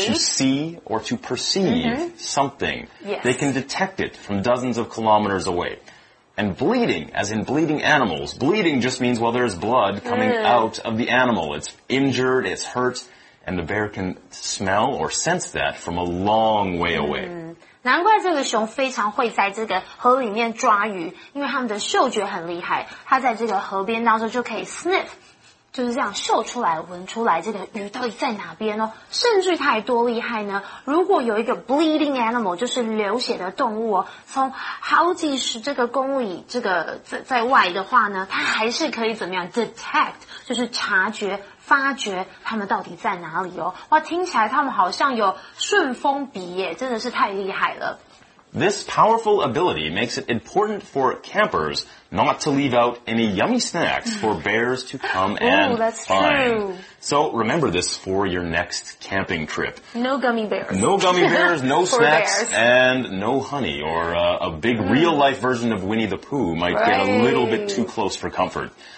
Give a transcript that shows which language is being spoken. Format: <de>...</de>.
<en>Or to see or to perceive something. Yes. They can detect it from dozens of kilometers away. And bleeding, as in bleeding animals, bleeding just means, well, there's blood coming out of the animal. It's injured, it's hurt. And the bear can smell or sense that from a long way away.</en> <zh>难怪这个熊非常会在这个河里面抓鱼，因为他们的嗅觉很厉害。他在这个河边当中就可以 sniff， 就是这样嗅出来、闻出来这个鱼到底在哪边哦。甚至他还多厉害呢？如果有一个 bleeding animal， 就是流血的动物哦，从好几十这个公里这个在外的话呢，他还是可以怎么样 detect， 就是察觉。发觉他们到底在哪里哦？哇，听起来他们好像有顺风鼻耶，真的是太厉害了。</zh> <en>This powerful ability makes it important for campers not to leave out any yummy snacks for bears to come and find. So remember this for your next camping trip. No gummy bears. No gummy bears, no snacks, and no honey, or a big real life version of Winnie the Pooh might get a little bit too close for comfort.</en>